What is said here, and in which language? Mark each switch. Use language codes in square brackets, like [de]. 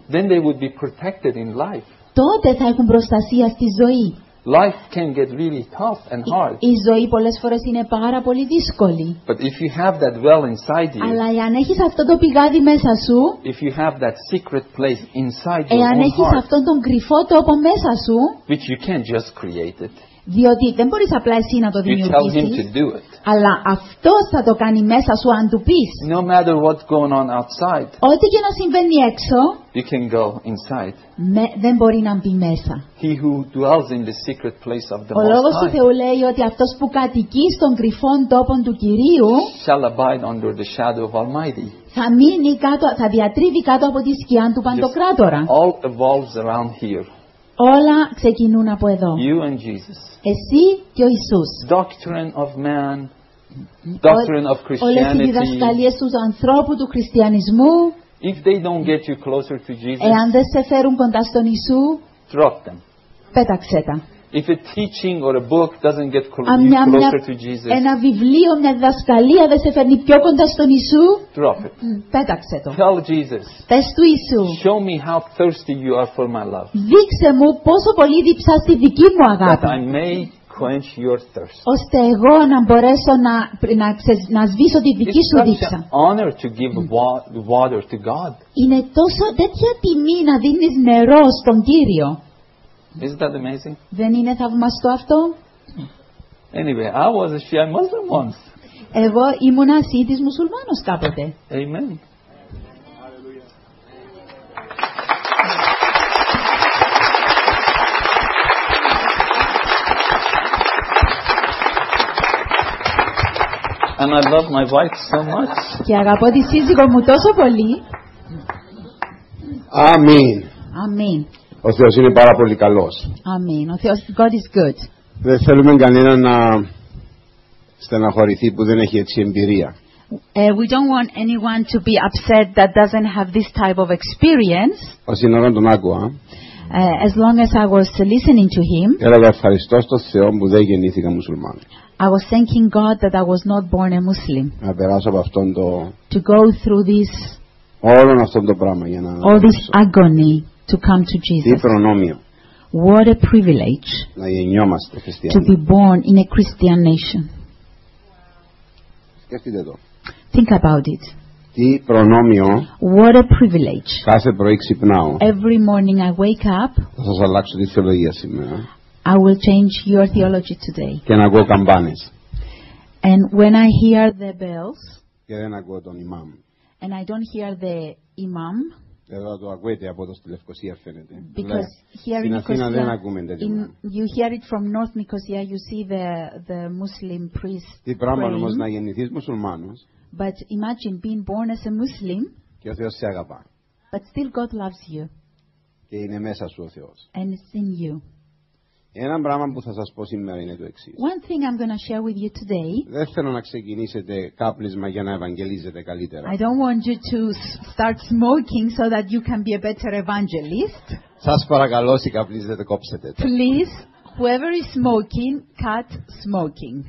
[en] Then they would be protected in life. [el] Τότε θα έχουν προστασία στη ζωή. [en] Life can get really tough and hard. [el] Η ζωή πολλές φορές είναι πάρα πολύ δύσκολη. [en] But if you have that well inside you, [el] αλλά εάν έχεις αυτό το πηγάδι μέσα σου, [en] if you have that secret place inside [el] εάν [en] your own [el] έχεις [en] heart, [el] αυτόν τον κρυφό τόπο μέσα σου, [en] which you can't just create it, [el] διότι δεν μπορείς απλά εσύ να το δημιουργήσεις, αλλά αυτός θα το κάνει μέσα σου αν του πεις. [en] No matter what's going on outside, [el] ό,τι και να συμβαίνει έξω, [en] you can go inside. [el] Δεν μπορεί να μπει μέσα. [en] He who dwells in the secret place of the [el] ο Λόγος του Θεού λέει ότι αυτός που κατοικεί στον κρυφόν τόπον του Κυρίου [en] shall abide under the shadow of Almighty. [el] Θα μείνει κάτω, θα διατρίβει κάτω από τη σκιά του Παντοκράτορα. [en] All evolves around here. [el] Όλα ξεκινούν από εδώ. [en] You and Jesus. [el] Εσύ και ο Ιησούς. [en] Doctrine of man, doctrine of Christianity. [el] Όλες οι διδασκαλίες του ανθρώπου του χριστιανισμού. [en] If they don't get you closer to Jesus, [el] εάν δεν σε φέρουν κοντά στον Ιησού, [en] drop them. [el] Πέταξέ τα. [en] If a teaching or a book doesn't get closer to Jesus, [el] ένα βιβλίο, μια διδασκαλία δεν σε φέρνει πιο κοντά στον Ιησού, [en] drop it. [el] Πέταξε το. [en] Tell Jesus, [el] πες του Ιησού, [en] show me how thirsty you are for my love. [el] Δείξε μου πόσο πολύ διψάς τη δική μου αγάπη. [en] That I may quench your thirst. [el] Ώστε εγώ να μπορέσω να σβήσω τη δική [en] It's [el] σου δίψα. [en] Honor to give water to God. [el] Είναι τόσο τέτοια τιμή να δίνεις νερό στον Κύριο. [en] Isn't that amazing? [el] Δεν είναι θαυμαστό αυτό? [en] Anyway, I was a Shia Muslim once. [el] Εγώ ήμουν ασίτης μουσουλμάνος κάποτε. [en] Amen. And I love my wife so much. [el] Και αγαπώ τη σύζυγό μου τόσο πολύ. [en] Amen. Amen. [el] Ο Θεός είναι πάρα πολύ καλός. [en] Amen. [el] Ο Θεός, [en] God is good. [el] Δεν θέλουμε κανένα να στεναχωρηθεί που δεν έχει έτσι εμπειρία. [en] We don't want anyone to be upset that doesn't have this type of experience. [el] Όσο ώρα τον άκουα. [en] As long as I was listening to him. [el] Έλεγα ευχαριστώ στο Θεό που δεν γεννήθηκα μουσουλμάνος. [en] I was thanking God that I was not born a Muslim. [el] Να περάσω από αυτόν το. [en] To go through this. [el] Όλον αυτόν το πράγμα για να. [en] All this agony. To come to Jesus. [el] Τι προνόμιο. [en] What a privilege. [el] Να γεννιόμαστε χριστιανοί. [en] To be born in a Christian nation. [el] Σκέφτεται το. [en] Think about it. [el] Τι προνόμιο. [en] What a privilege. [el] Κάθε πρωί ξυπνάω. [en] Every morning I wake up. [el] Θα σας αλλάξω τη θεολογία σήμερα. [en] I will change your theology today. [el] Και να ακούω καμπάνες. [en] And when I hear the bells. [el] Και δεν ακούω τον ημάμ. [en] And I don't hear the imam. [el] Εδώ το ακούετε από εδώ στη Λευκοσία φαίνεται. [en] Because [el] λέει, [en] here in Nicosia, you hear it from North Nicosia, you see the Muslim priest. [el] Τι πράγμα όμως να γεννηθείς μουσουλμάνος. [en] But imagine being born as a Muslim. [el] Και ο Θεός σε αγαπά. [en] But still God loves you. [el] Και είναι μέσα σου ο Θεός. [en] And it's in you. [el] Ένα πράγμα που θα σας πω σήμερα είναι το εξής. [en] One thing I'm going to share with you today. [el] Δεν θέλω να ξεκινήσετε κάπλισμα για να ευαγγελίζετε καλύτερα. [en] I don't want you to start smoking so that you can be a better evangelist. [el] Σας παρακαλώ, σηκάπλιζετε, κόψετε. [en] Please, whoever is smoking, cut smoking.